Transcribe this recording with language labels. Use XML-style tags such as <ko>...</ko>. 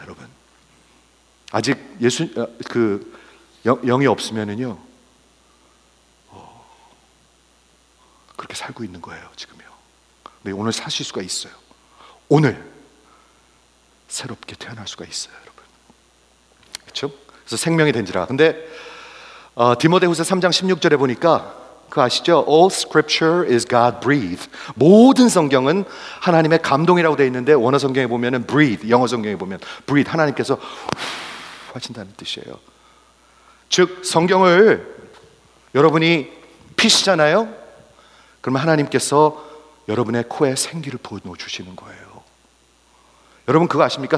<ko>여러분 아직 예수 그 영이 없으면은요 그렇게 살고 있는 거예요 지금요. 근데 오늘 사실 수가 있어요. 오늘 새롭게 태어날 수가 있어요 여러분. 그렇죠? 그래서 생명이 된지라. 근데 디모데후서 3장 16절에 보니까 그 아시죠?</ko> <en>All scripture is God breathed.</en> <ko>모든 성경은 하나님의 감동이라고 되어 있는데 원어 성경에 보면은 breathe, 영어 성경에 보면 breathe, 하나님께서 하신다는 뜻이에요. 즉 성경을 여러분이 피시잖아요? 그러면 하나님께서 여러분의 코에 생기를 부어주시는 거예요. 여러분 그거 아십니까?</ko>